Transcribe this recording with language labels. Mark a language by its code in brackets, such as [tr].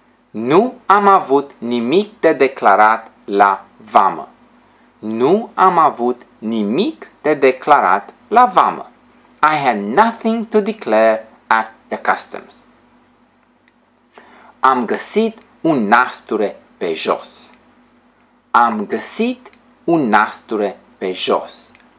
[ro] Nu am avut nimic de declarat la vamă. Nu am avut nimic de declarat la vamă. [en] I had nothing to declare at the customs. [ro] Am găsit un nasture pe jos. Am găsit un nasture pe jos.